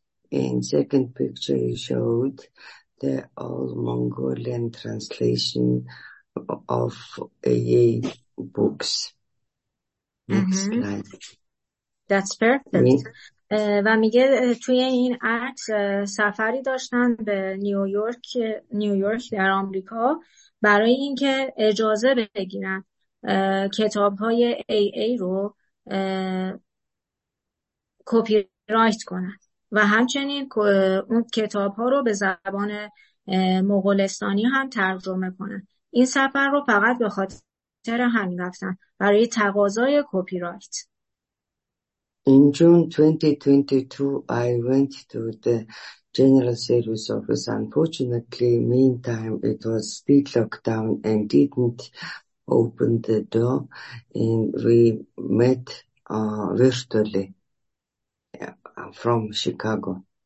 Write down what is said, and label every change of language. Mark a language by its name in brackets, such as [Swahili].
[English] And second picture, you showed the All Mongolian translation of AA books. Next slide. That's perfect. [Persian] و میگه توی این عکس سفری داشتن به نیویورک در آمریکا برای اینکه اجازه بگیرن کتاب‌های AA رو کپی رایت کنن و همچنین اون کتاب‌ها رو به زبان مغولستانی هم ترجمه کنن. این سفر رو فقط به خاطر همین رفتن، برای تقاضای کپی رایت. [English] In June 2022, I went to the General Service Office. Unfortunately, meantime, it was still locked down and didn't open the door. And we met virtually from Chicago.